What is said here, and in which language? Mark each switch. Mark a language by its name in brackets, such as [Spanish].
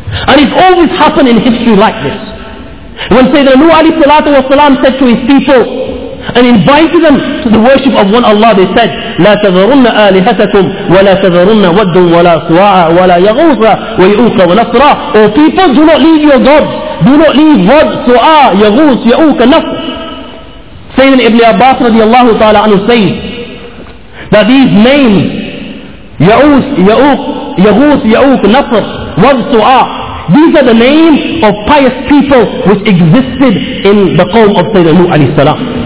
[English] And it's always happened in history like this. When Sayyidina Nuh alayhi salatu wa salam said to his people and invited them to the worship of one Allah, they said, [Arabic] لا تذرن آلهتكم ولا تذرن ود ولا سواع ولا يغوث ويؤوك ونصر. [English] Oh people, do not leave your gods. Do not leave ود, سواع, يغوث, يؤوك, نصر. Sayyidina Ibn Abbas radiallahu ta'ala anhu says that these names, Ya'us, Ya'uq, Ya'us, Ya'uq, Nasr, Wad, Su'ah, these are the names of pious people which existed in the qawm of Sayyidina Nuh alayhi salam.